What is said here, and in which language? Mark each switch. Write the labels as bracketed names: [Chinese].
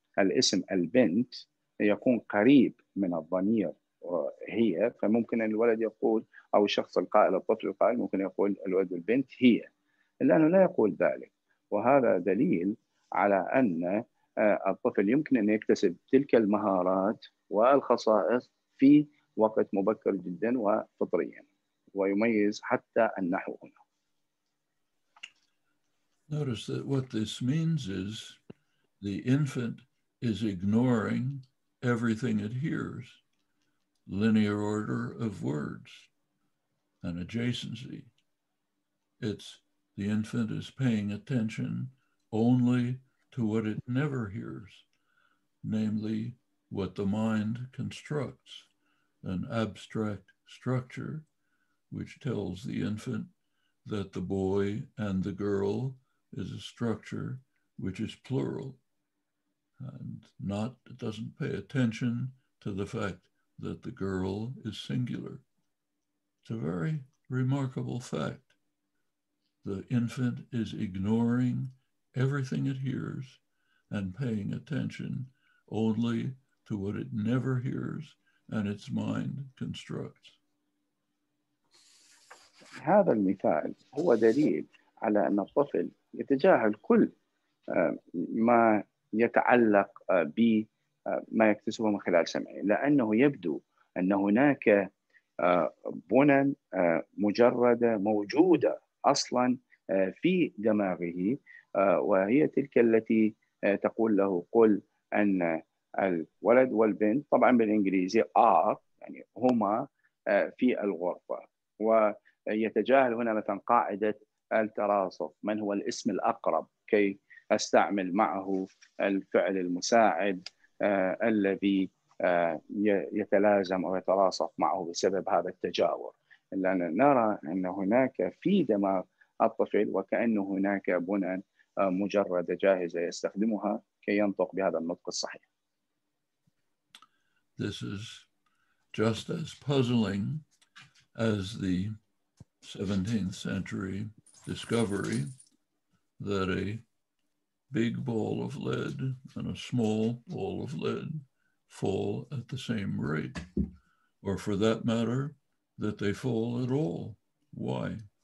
[Arabic] الاسم البنت يكون قريب من الضمير هي، فممكن الولد يقول أو الشخص القائل الطفل القائل ممكن يقول الولد البنت هي، إلا أنه لا يقول ذلك، وهذا دليل على أن الطفل يمكن أن يكتسب تلك المهارات والخصائص في وقت مبكر جدا وفطريا، ويميز حتى النحو هنا. [English] Notice that what this means is the infant is ignoring everything it hears, linear order of words and adjacency. It's the infant is paying attention only to what it never hears, namely what the mind constructs, an abstract structure which tells the infant that the boy and the girl is a structure which is plural, and not doesn't pay attention to the fact that the girl is singular. It's a very remarkable fact. The infant is ignoring everything it hears and paying attention only to what it never hears and its mind constructs. [Arabic] هذا المثال هو دليل على أن الطفل يتجاهل كل ما يتعلق بما يكتسبه من خلال سمعه، لأنه يبدو أن هناك بنى مجردة موجودة أصلاً في دماغه، وهي تلك التي تقول له قل أن الولد والبنت طبعاً بالإنجليزي are يعني هما في الغرفة، ويتجاهل هنا مثلاً قاعدة التراصف، من هو الاسم الأقرب كي أستعمل معه الفعل المساعد الذي يتلازم أو يتراصف معه بسبب هذا التجاور. لأن نرى أن هناك في دماغ الطفل وكأنه هناك بنى مجردة جاهزة يستخدمها كي ينطق بهذا النطق الصحيح. [English] This is just as puzzling as the 17th century discovery that a big ball of lead and a small ball of lead fall at the same rate, or for that matter, that they fall at all. Why?